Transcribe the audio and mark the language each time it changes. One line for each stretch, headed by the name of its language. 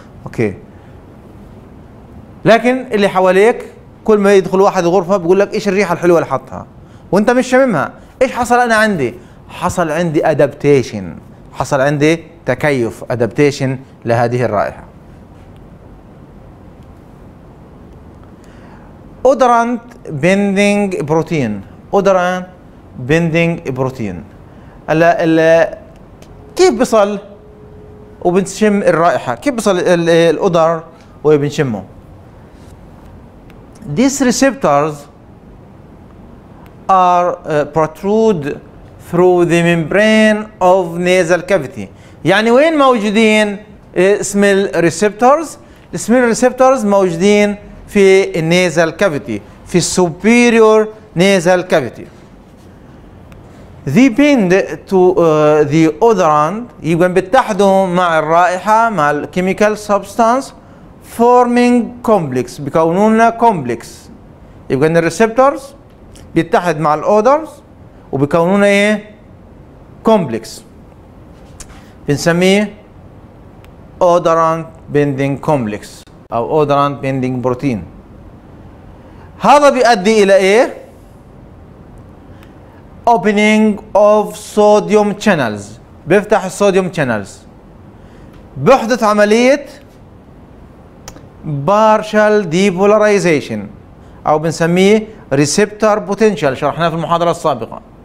Arabic: أوكي، لكن اللي حواليك كل ما يدخل واحد غرفة بيقول لك إيش الريحة الحلوة اللي حطها وأنت مش شممها، إيش حصل؟ أنا عندي حصل عندي adaptation، حصل عندي تكيف adaptation لهذه الرائحة.
English: odorant binding protein، odorant binding protein،
Arabic: ال كيف بصل وبنشم الرائحة، كيف بصل الأودر وبنشمه؟
English: these receptors are protrude through the membrane of nasal cavity.
Arabic: يعني وين موجودين smell receptors؟ smell receptors موجودين في nasal cavity، في superior nasal cavity.
English: They bind to the odorant،
Arabic: يبقى بيتحدوا مع الرائحة مع
English: chemical substance forming complex،
Arabic: بيكونون
English: complex.
Arabic: يبقى ان receptors بيتحد مع الodors وبيكونون ايه؟ complex، بنسميه odorant binding complex او odorant binding protein. هذا بيؤدي الى ايه؟ opening of sodium channels، بيفتح الصوديوم channels، بيحدث عملية partial depolarization او بنسميه receptor potential، شرحناه في المحاضرة السابقة.